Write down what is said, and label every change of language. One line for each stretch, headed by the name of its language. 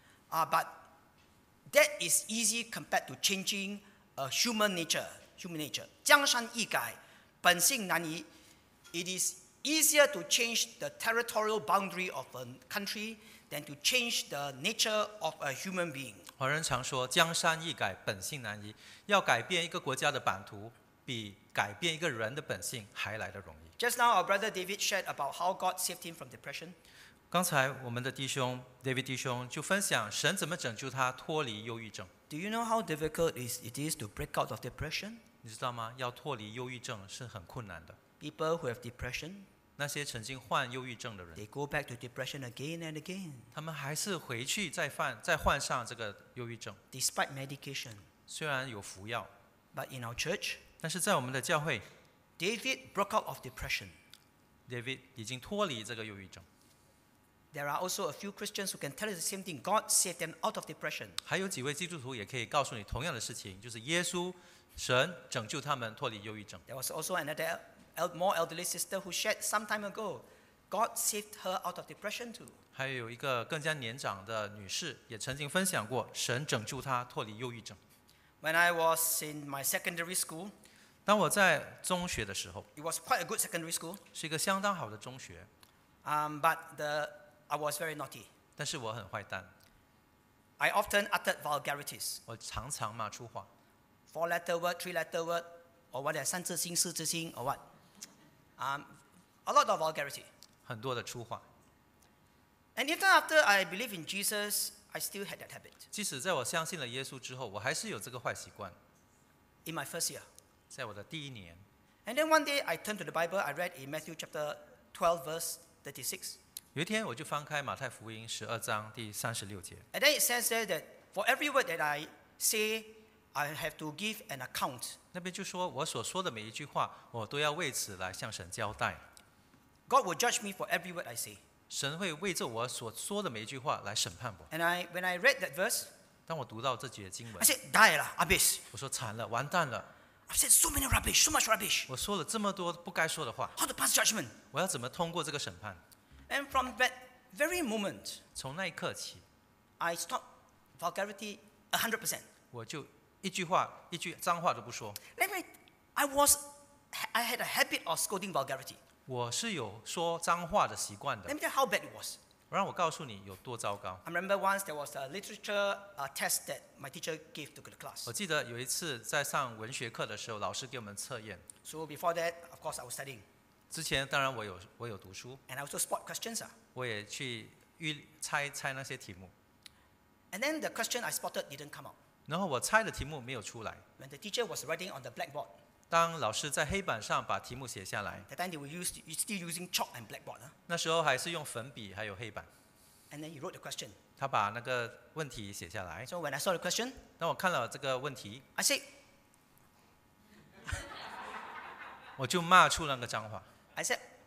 English: But that is easy compared to changing a human nature. Human nature.
Chinese: 江山易改，本性难移
English: it is easier to change the territorial boundary of a country than to change the nature of a human being.
Chinese: 华人常说江山易改本性难移要改变一个国家的版图比改变一个人的本性还来得容易。
English: Just now, our brother David shared about how God saved him from depression.
Chinese: 刚才我们的弟兄 David 弟兄就分享神怎么拯救他脱离忧郁症。
English: Do you know how difficult it is to break out of depression?
Chinese: 你知道吗？要脱离忧郁症是很困难的。
English: People who have depression,
Chinese: 那些曾经患忧郁症的人
English: ，they go back to depression again and again.
Chinese: 他们还是回去再患上这个忧郁症。
English: Despite medication,
Chinese: 虽然有服药
English: ，but in our church.
Chinese: 但是在我们的教会
English: ，David broke out of depression.
Chinese: David 已经脱离这个忧郁症。
English: There are also a few Christians who can tell us the same thing. God saved them out of depression.
Chinese: 还有几位基督徒也可以告诉你同样的事情，就是耶稣神拯救他们脱离忧郁症。
English: There was also another more elderly sister who shared some time ago. God saved her out of depression too.
Chinese: 还有一个更加年长的女士也曾经分享过神拯救她脱离忧郁症。
English: When I was in my secondary school,
Chinese: 当我在中学的时候
English: it was quite a good secondary school.
Chinese: 是一个相当好的中学。
English: But I was very naughty.
Chinese: 但是我很坏蛋。
English: I often uttered vulgarities.
Chinese: 我常常骂粗话。
English: 4-letter word, 3-letter word, or what?
Chinese: 三字经、四字经
English: or what? A lot of vulgarity.
Chinese: 很多的粗话。
English: And even after I believe in Jesus, I still had that habit.
Chinese: 即使在我相信了耶稣之后，我还是有这个坏习惯。
English: In my first year.
Chinese: 在我的第一年。
English: And then one day I turned to the Bible. I read in Matthew chapter 12, verse 36.
Chinese: 有一天我就翻开马太福音十二章第三十六节。
English: And then it says there that for every word that I say. I have to give an account.
Chinese: 那边就说我所说的每一句话，我都要为此来向神交代。
English: God will judge me for every word I say.
Chinese: 神会为着我所说的每一句话来审判我。
English: And when I read that verse,
Chinese: 当我读到这节经文
English: ，I said,
Chinese: 呆了，阿比斯。我说惨了，完蛋了。
English: I said so many rubbish, so much rubbish.
Chinese: 我说了这么多不该说的话。
English: How to pass judgment?
Chinese: 我要怎么通过这个审判
English: ？And from that very moment,
Chinese: 从那一刻起
English: ，I stopped vulgarity 100%.
Chinese: 我就一句话，一句脏话都不说。
English: I had a habit of scolding vulgarity.
Chinese: 我是有说脏话的习惯的。
English: Let me tell how bad it was.
Chinese: 让我告诉你有多糟糕。
English: I remember once there was a literature test that my teacher gave to the class.
Chinese: 我记得有一次在上文学课的时候，老师给我们测验。
English: So before that, of course, I was studying.
Chinese: 之前当然我有读书。
English: And I also spot questions.
Chinese: 我也去猜那些题目。
English: And then the question I spotted didn't come out.
Chinese: 然后我猜的题目没有出来。
English: When the teacher was writing on the blackboard,
Chinese: 当老师在黑板上把题目写下来。
English: That time they were still using chalk and blackboard.
Chinese: 那时候还是用粉笔还有黑板。
English: And then he wrote the question.
Chinese: 他把那个问题写下来。
English: So when I saw the question,
Chinese: 当我看了这个问题
English: ，I say,
Chinese: 我就骂出那个脏话。
English: I said,